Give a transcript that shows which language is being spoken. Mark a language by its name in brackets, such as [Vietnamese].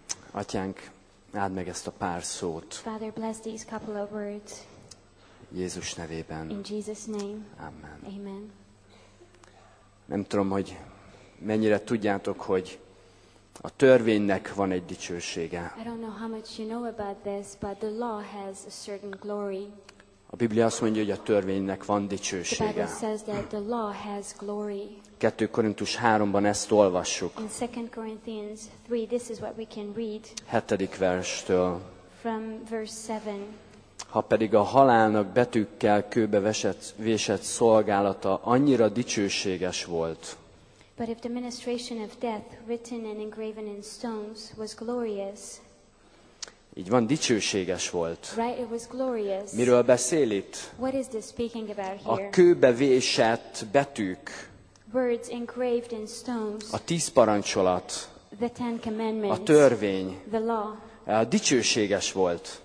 [Hungarian] Atyánk, áld meg ezt a pár szót. [English] Father, bless these couple of words. [Hungarian] Jézus nevében. [English] In Jesus' name. [Hungarian] Amen. [English] Amen. [Hungarian] Nem tudom, hogy mennyire tudjátok, hogy a törvénynek van egy dicsősége. [English] I don't know how much you know about this, but the law has a certain glory. [Hungarian] A Biblia azt mondja, hogy a törvénynek van dicsősége. [English] The Bible says that the law has glory. [Hungarian] 2 Korintus 3-ban ezt olvassuk. [English] In 2 Corinthians 3, this is what we can read. [Hungarian] 7. verstől. [English] From verse 7. [Hungarian] Ha pedig a halálnak betűkkel kőbe vésett szolgálata annyira dicsőséges volt. [English] But if the ministration of death, written and engraven in stones, was glorious. [Hungarian] Így van, dicsőséges volt. [English] Right, it was glorious. [Hungarian] Miről beszél itt? [English] What is this speaking about here? [Hungarian] A kőbe vésett betűk. [English] Words engraved in stones. [Hungarian] A 10 parancsolat. [English] The 10 commandments. [Hungarian] A törvény. [English] The law. [Hungarian] A dicsőséges volt.